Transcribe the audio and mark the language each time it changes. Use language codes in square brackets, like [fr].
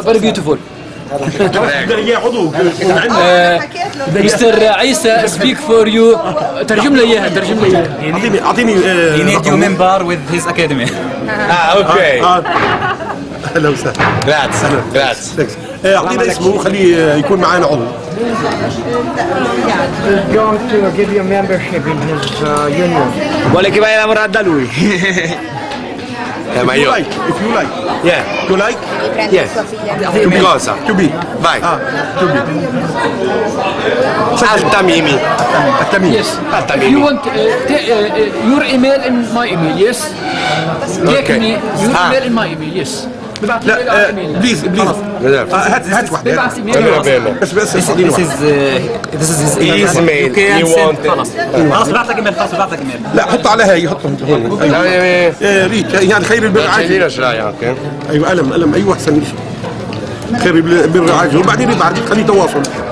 [en] very beautiful mister عيسى speak for you [ar] ترجم لي اياها ترجم لي اعطيني [en] you need you member with his academy okay [ar] اهلا وسهلا [en] grats grats [ar] اعطيني اسمه وخليه يكون معانا عضو [en] He's going to give you a membership in his union. [it] Vuole che vai a lavorare da lui. [en] If you like, if you like. Yeah. You like? Yes. To be. [it] Cosa? [en] To be. [it] Vai. [en] Ah, to be. Altamimi. Altamimi. Yes. Altamimi. You want your email and my email, yes? Okay. Take me your email and my email, yes. [ar] لا [en] please please [ar] هات هات واحد بس بس [en] this is this is his email you want it [ar] خلاص بعتك ايميل لا حط على هاي حطهم ريت يعني خير البر عاجل ايش رايك ايوه الم الم ايوه احسن خير البر عاجل وبعدين ببعث خليه تواصل